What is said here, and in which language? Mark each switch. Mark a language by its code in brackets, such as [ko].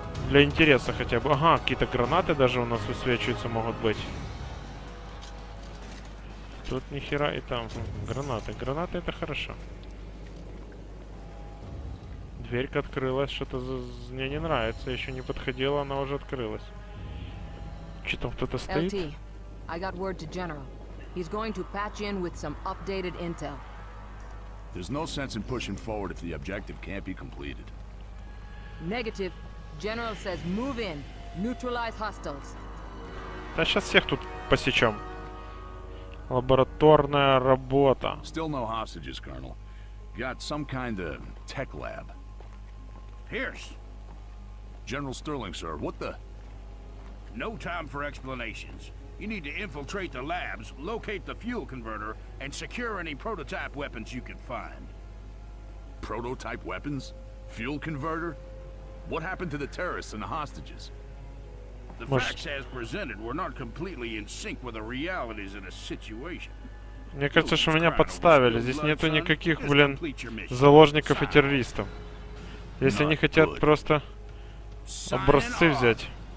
[ru] Для интереса хотя бы. Ага, какие-то гранаты даже у нас высвечиваются могут быть. Тут нихера и там. Гранаты. Гранаты это хорошо. дверька открылась, что-то мне не нравится. Еще не подходила, она уже открылась. Че там кто-то стоит? [en] LT, I got word to General. He's going to patch in with some updated intel. There's no sense in pushing forward if the objective can't be completed. Negative. General says move in, neutralize hostiles. [ru] Да сейчас всех тут посечем. Лабораторная работа. [en] Still no hostages, Colonel. Got some kind of tech lab. Pierce. General Sterling, sir. What the? No time for explanations. You need to infiltrate the labs, locate the fuel converter, and secure any prototype weapons you can find. Prototype weapons? Fuel converter? What happened to the terrorists and the hostages? The facts as presented were not completely in sync with the realities of the situation. [ru] Мне кажется, что меня подставили. Здесь нету никаких, блин, заложников и террористов. Если они хотят просто образцы взять.